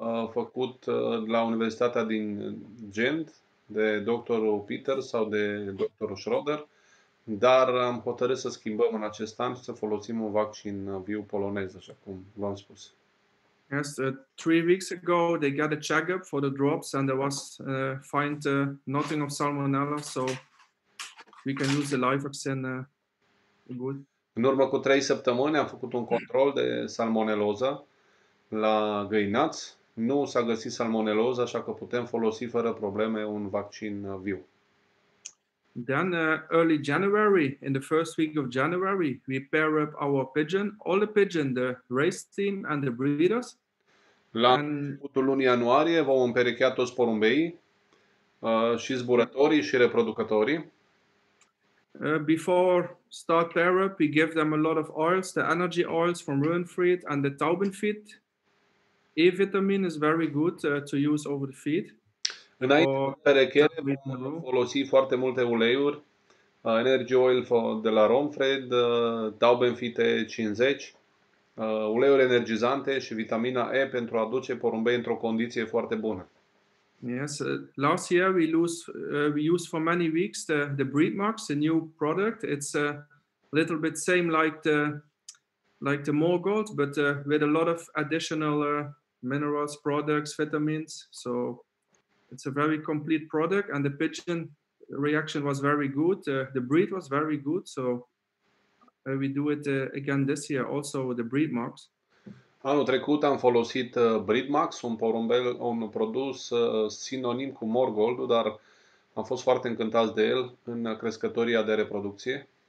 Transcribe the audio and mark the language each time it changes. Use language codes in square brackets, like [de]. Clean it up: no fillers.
[ro] Făcut la Universitatea din Gent de doctorul Peter sau de doctorul Schroeder, dar am hotărât să schimbăm în acest an și să folosim un vaccin viu polonez, așa cum v-am spus. [en] Yes, 3 weeks ago they got a checkup for the drops and there was find nothing of salmonella, so we can use the live vaccine good. [ro] În urmă cu 3 săptămâni am făcut un control de salmoneloză la găinați, nu s-a găsit salmoneloză, așa că putem folosi fără probleme un vaccin viu. [en] Then early January, in the first week of January, we pair up our pigeon, all the pigeon, the race team and the breeders. [ro] La începutul lunii ianuarie vom împerechea toți porumbeii, și zburătorii și reproducătorii. [en] Before start pair up, we give them a lot of oils, the energy oils from Runfried and the Taubenfried. E vitamin is very good to use over the feed. [ro] Înainte de perechere vom folosi foarte multe uleiuri, energy oil de la Romfred, Taubenfite 50, uleiuri energizante și vitamina E pentru a duce porumbei într-o condiție foarte bună. [en] Yes, last year we used for many weeks the breed marks, the new product. It's a little bit same like the more gold, but with a lot of additional minerals, products, vitamins. So it's a very complete product, and the pigeon reaction was very good. The breed was very good, so we do it again this year also with the breed marks. [ro] Anul trecut am folosit Breedmax, un porumbel, un produs sinonim cu Morgoldul, dar am fost foarte încântat de el în crescătoria de reproducție.